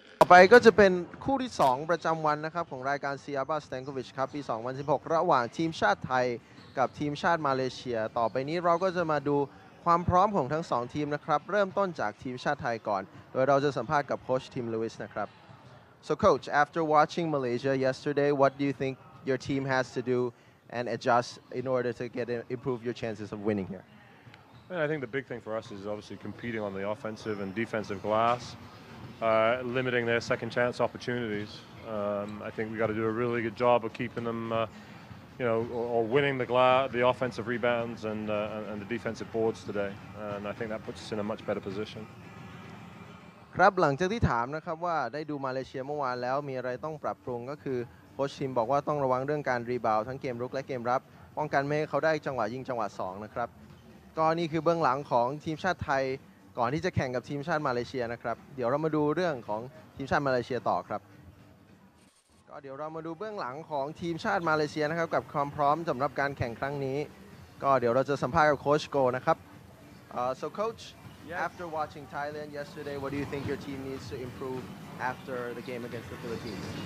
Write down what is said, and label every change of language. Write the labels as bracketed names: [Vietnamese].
[Thai] ไปก็จะเป็นคู่ที่2ประจำวันนะครับของรายการ SEABA Stankovic ครับปี2016ระหว่างทีมชาติไทยกับทีมชาติมาเลเซียต่อไปนี้เราก็จะมาดูความพร้อมของทั้ง2ทีมนะครับเริ่มต้นจากทีมชาติไทยก่อนโดยเราจะสัมภาษณ์กับโค้ชทีมลูอิสนะครับ [English] So coach after watching Malaysia yesterday what do you think your team has to do and adjust in order to get improve your chances of winning here And I think the big thing for us is obviously competing on the offensive and defensive glass, limiting their second chance opportunities. I think we got to do a really good job of keeping them, or winning the offensive rebounds and the defensive boards today. And I think that puts us in a much better position. [Thai] ครับหลังจากที่ถามนะครับว่าได้ดูมาเลเซียเมื่อวานแล้วมีอะไรต้องปรับปรุงก็คือโค้ชชิมบอกว่าต้องระวังเรื่องการรีบาวด์ทั้งเกมรุกและเกมรับป้องกันไม่ให้เขาได้จังหวะยิงจังหวะ2นะครับก็นี่คือเบื้องหลังของทีมชาติไทยก่อนที่จะแข่งกับทีมชาติมาเลเซียนะครับเดี๋ยวเรามาดูเรื่องของทีมชาติมาเลเซียต่อครับก็เดี๋ยวเรามาดูเบื้องหลังของทีมชาติมาเลเซียนะครับกับความพร้อมสำหรับการแข่งครั้งนี้ก็เดี๋ยวเราจะสัมภาษณ์กับโค้ชโกนะครับ [English] so coachYes. After watching Thailand yesterday, what do you think your team needs to improve after the game against the Philippines?